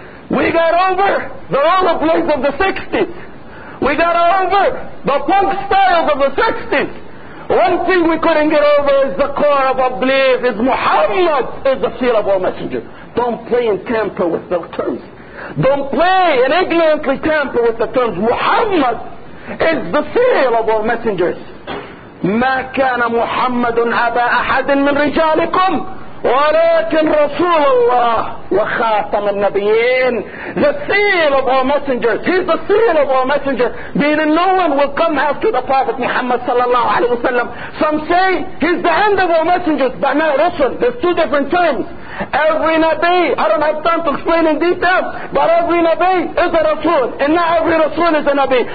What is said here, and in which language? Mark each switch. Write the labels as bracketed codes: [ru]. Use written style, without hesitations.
[en] We got over the rollerblades of the 60s. We got over the punk styles of the 60s. One thing we couldn't get over is the core of our belief is Muhammad is the seal of all messengers. Don't play and tamper with the terms. Don't play and ignorantly tamper with the terms. Muhammad is the seal of all messengers. [ar] ما كان محمد أبا أحد من رجالكم ولكن رسول الله وخاتم النبيين. [en] The seal of all messengers. He's the seal of all messengers. Meaning no one will come after the Prophet Muhammad sallallahu alayhi wa sallam. Some say he's the end of all messengers, but not Rasul. There's two different terms. Every Nabi, I don't have time to explain in detail, but every Nabi is a Rasul, and not every Rasul is a Nabi.